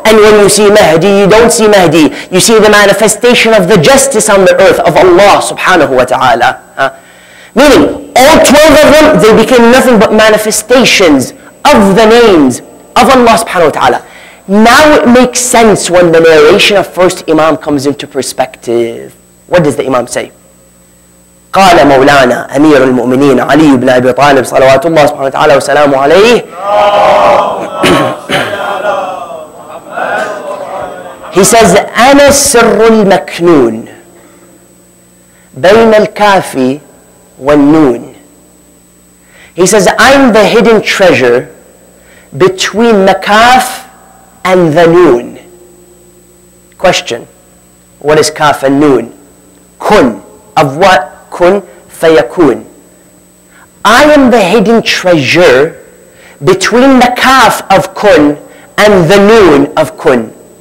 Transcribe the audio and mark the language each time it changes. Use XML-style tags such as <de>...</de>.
<en>And when you see Mahdi, you don't see Mahdi. You see the manifestation of the justice on the earth of Allah subhanahu wa ta'ala. Meaning, all 12 of them, they became nothing but manifestations of the names of Allah subhanahu wa ta'ala. Now it makes sense when the narration of first Imam comes into perspective. What does the Imam say?</en> <ar>قال مولانا أمير المؤمنين علي بن أبي طالب صلوات الله سبحانه وتعالى وسلامه عليه.</ar> <en>He says,</en> <ar>أنا سر المكنون بين الكاف والنون.</ar> <en>He says, I'm the hidden treasure between the kaf and the noon. Question, what is kaf and noon? Kun, of what? Kun fayakun. I am the hidden treasure between the kaf of kun and the noon of kun.</en>